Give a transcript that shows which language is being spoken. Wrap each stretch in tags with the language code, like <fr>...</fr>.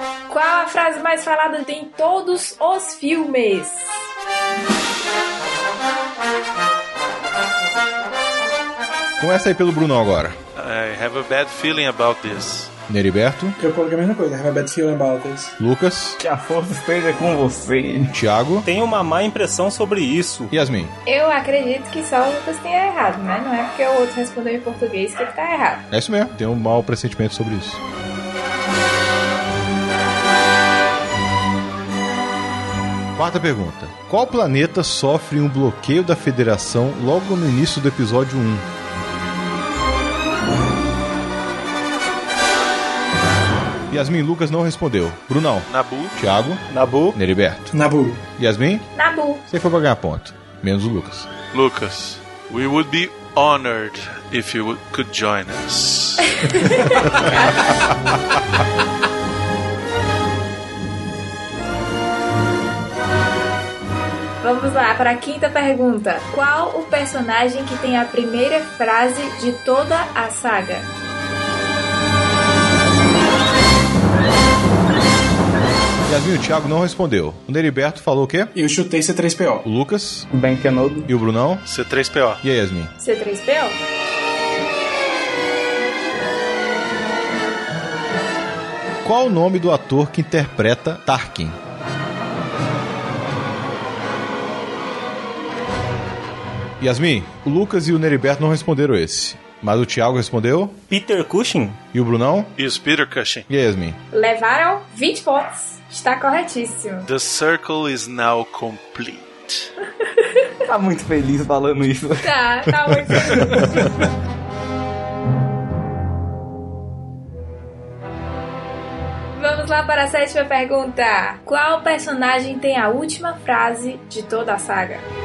<pt>Qual a frase mais falada em todos os filmes? Começa aí pelo Bruno agora.</pt> <en>I have a bad feeling about this.</en> <pt>Neriberto? Eu coloquei a mesma coisa.</pt> <en>I have a bad feeling about this.</en> <pt>Lucas? Que a força esteja com você. Tiago? Tenho uma má impressão sobre isso. Yasmin? Eu acredito que só o Lucas tenha errado, né? Não é porque o outro respondeu em português que ele tá errado. É isso mesmo. Tenho um mau pressentimento sobre isso. Quarta pergunta. Qual planeta sofre um bloqueio da Federação logo no início do episódio 1? Yasmin, Lucas não respondeu. Brunão. Nabu. Tiago. Nabu. Neriberto. Nabu. Yasmin. Nabu. Você foi pra ganhar ponto. Menos o Lucas.</pt> <en>Lucas, we would be honored if you could join us.</en> <pt>Vamos Vamos lá, para a quinta pergunta. Qual o personagem que tem a primeira frase de toda a saga? Yasmin, o Thiago não respondeu. O Neriberto falou o quê? Eu chutei C3PO. O Lucas? Ben Kenobi. E o Brunão? C3PO. E aí, Yasmin? C3PO? Qual o nome do ator que interpreta Tarkin? Yasmin, o Lucas e o Neriberto não responderam esse. Mas o Thiago respondeu? Peter Cushing. E o Brunão? Isso, Peter Cushing. E aí, Yasmin? Levaram 20 pontos. Está corretíssimo.</pt> <en>The circle is now complete.</en> <pt>Tá muito feliz falando isso. Tá, tá muito feliz. Vamos lá para a sétima pergunta. Qual personagem tem a última frase de toda a saga?</pt>